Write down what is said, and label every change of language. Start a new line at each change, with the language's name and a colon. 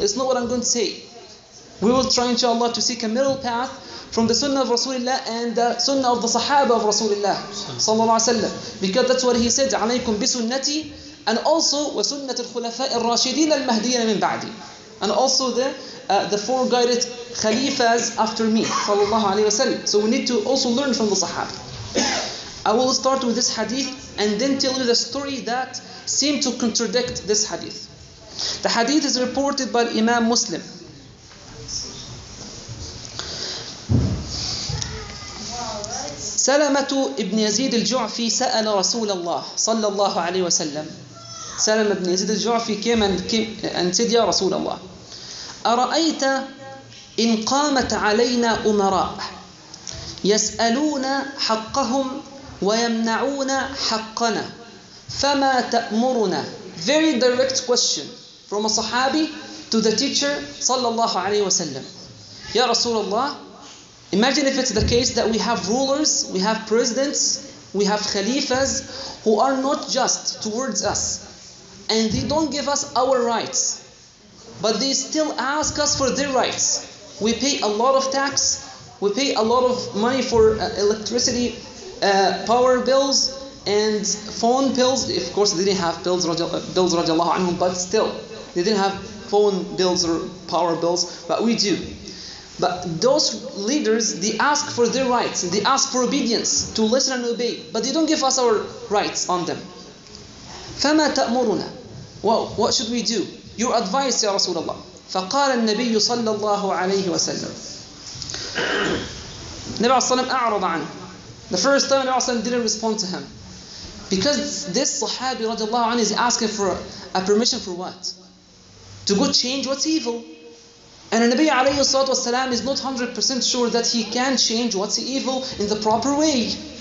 English: It's not what I'm going to say. We will try, inshallah, to seek a middle path from the sunnah of Rasulullah and the sunnah of the sahaba of Rasulullah sallallahu alaihi wasallam, because that's what he said,
Arabic: alaykum bi sunnati
English: and also
Arabic: wa sunnat al khulafa al rashidin al mahdiyin min ba'di,
English: and also the four guided khalifas after me sallallahu alaihi wasallam. So we need to also learn from the sahaba. I will start with this hadith and then tell you the story that seemed to contradict this hadith. The hadith is reported by Imam Muslim.
Arabic: سلمة ابن يزيد الجعفي سأل رسول الله صلى الله عليه وسلم. سلمة ابن يزيد الجعفي said, يا رسول الله أرأيت إن قامت علينا أمراء يسألون حقهم ويمنعون حقنا فما تأمرنا.
English: Very direct question from a Sahabi to the teacher
Arabic: صلى الله عليه وسلم. يا رسول الله,
English: imagine if it's the case that we have rulers, we have presidents, we have khalifas who are not just towards us. And they don't give us our rights. But they still ask us for their rights. We pay a lot of tax. We pay a lot of money for electricity, power bills, and phone bills. Of course, they didn't have bills, radiallahu anhum, but still, they didn't have phone bills or power bills, but we do. But those leaders, they ask for their rights. They ask for obedience, to listen and obey. But they don't give us our rights on them.
Arabic: فَمَا تَأْمُرُنَا.
English: Well, what should we do? Your advice, Ya Rasulullah.
Arabic: فَقَالَ النَّبِيُّ صَلَّى اللَّهُ عَلَيْهِ وَسَلَّمُ Nabi Salam أعرض عنه.
English: The first time Nabi Salam didn't respond to him. Because this Sahabi
Arabic: رضي الله عنه
English: is asking for a permission for what? To go change what's evil. And the Nabi alayhi salatu wasalam is not 100% sure that he can change what's evil in the proper way.